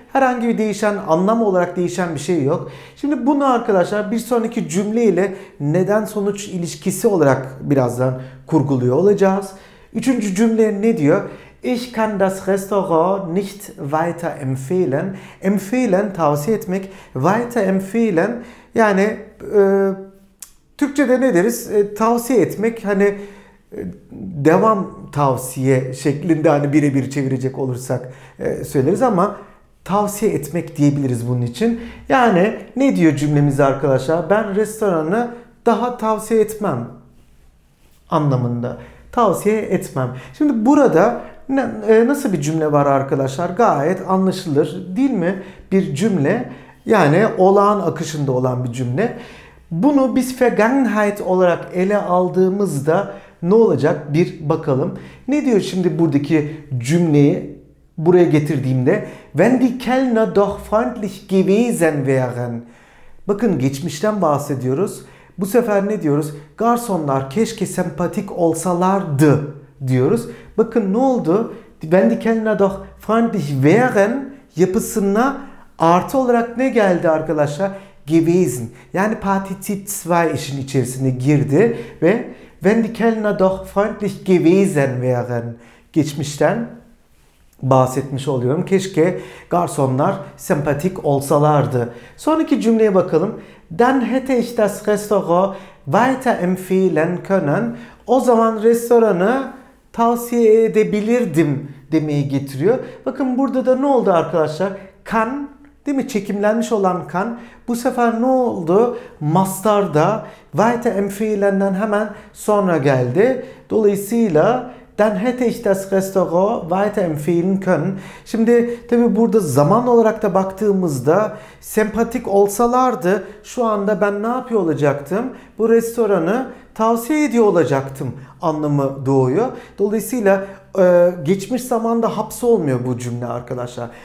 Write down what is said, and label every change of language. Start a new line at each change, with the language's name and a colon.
Turkish: Herhangi bir değişen, anlam olarak değişen bir şey yok. Şimdi bunu arkadaşlar bir sonraki cümleyle neden sonuç ilişkisi olarak birazdan kurguluyor olacağız. Üçüncü cümle ne diyor?
German: Ich kann das Restaurant nicht weiter empfehlen.
Turkish: Empfehlen, tavsiye etmek. Weiter empfehlen, yani Türkçe'de ne deriz? Tavsiye etmek, hani devam tavsiye şeklinde, hani birebir çevirecek olursak söyleriz ama tavsiye etmek diyebiliriz bunun için. Yani ne diyor cümlemiz arkadaşlar? Ben restoranı daha tavsiye etmem anlamında. Tavsiye etmem. Şimdi burada nasıl bir cümle var arkadaşlar? Gayet anlaşılır, değil mi? Bir cümle, yani olağan akışında olan bir cümle. Bunu biz Vergangenheit olarak ele aldığımızda ne olacak? Bir bakalım. Ne diyor şimdi buradaki cümleyi buraya getirdiğimde?
German: Wenn die Kellner doch freundlich gewesen wären.
Turkish: Bakın geçmişten bahsediyoruz. Bu sefer ne diyoruz? Garsonlar keşke sempatik olsalardı diyoruz. Bakın ne oldu?
German: Wenn die Kellner doch freundlich wären
Turkish: yapısına artı olarak ne geldi arkadaşlar? Gewesen. Yani Partizip 2 işin içerisine girdi ve
German: Wenn die Kellner doch freundlich gewesen wären.
Turkish: Geçmişten bahsetmiş oluyorum. Keşke garsonlar sempatik olsalardı. Sonraki cümleye bakalım.
German: Dann hätte ich das Restaurant weiter empfehlen können.
Turkish: O zaman restoranı tavsiye edebilirdim demeyi getiriyor. Bakın burada da ne oldu arkadaşlar? Kann, değil mi? Çekimlenmiş olan kann. Bu sefer ne oldu? Mastarda weiter empfehlen'den hemen sonra geldi. Dolayısıyla
German: dann hätte ich das Restaurant weiter empfehlen können.
Turkish: Şimdi tabi burada zaman olarak da baktığımızda sempatik olsalardı şu anda ben ne yapıyor olacaktım? Bu restoranı tavsiye ediyor olacaktım anlamı doğuyor. Dolayısıyla geçmiş zamanda hapsolmuyor bu cümle arkadaşlar.